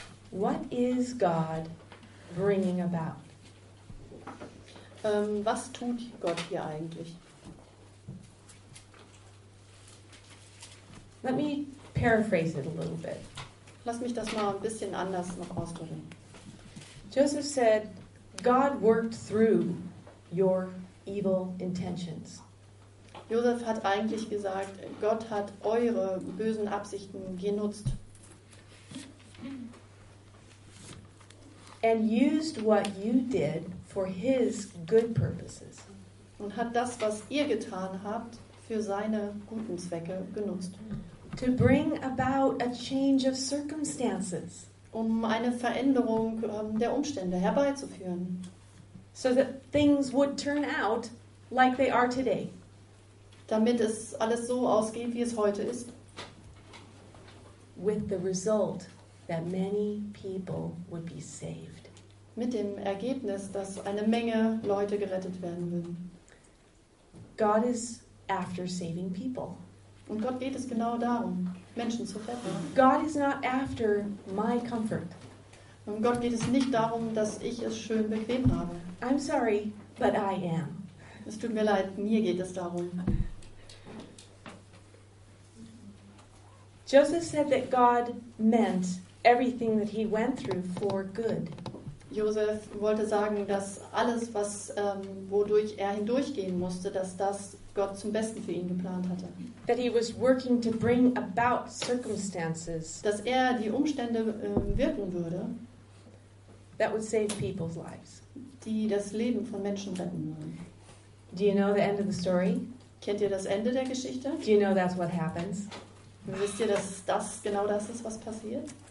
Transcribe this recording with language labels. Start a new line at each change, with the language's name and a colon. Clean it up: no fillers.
English: What is God bringing about?
German: Was tut Gott hier eigentlich?
English: Let me paraphrase it a little bit.
German: Lass mich das mal ein bisschen anders noch ausdrücken.
English: Joseph said, God worked through your evil intentions.
German: Joseph hat eigentlich gesagt, Gott hat eure bösen Absichten genutzt.
English: And used what you did for his good purposes.
German: Und hat das, was ihr getan habt, für seine guten Zwecke genutzt.
English: To bring about a change of circumstances.
German: Um eine Veränderung der Umstände herbeizuführen.
English: So that things would turn out like they are today.
German: Damit es alles so ausgeht, wie es heute ist.
English: With the result that many people would be saved.
German: Mit dem Ergebnis, dass eine Menge Leute gerettet werden würden.
English: God is after saving people.
German: Und Gott geht es genau darum, Menschen zu retten.
English: God is not after my comfort.
German: Und Gott geht es nicht darum, dass ich es schön bequem habe.
English: I'm sorry, but I am.
German: Es tut mir leid, mir geht es darum.
English: Joseph said that God meant everything that he went through for good.
German: Joseph wollte sagen, dass alles, was wodurch er hindurchgehen musste, dass das Gott zum Besten für ihn geplant hatte.
English: That he was working to bring about circumstances.
German: Dass er die Umstände wirken würde.
English: That would save people's lives.
German: Die das Leben von Menschen retten würden.
English: Do you know the end of the story?
German: Kennt ihr das Ende der Geschichte?
English: Do you know that's what happens?
German: Wisst ihr, dass das genau das ist, was passiert?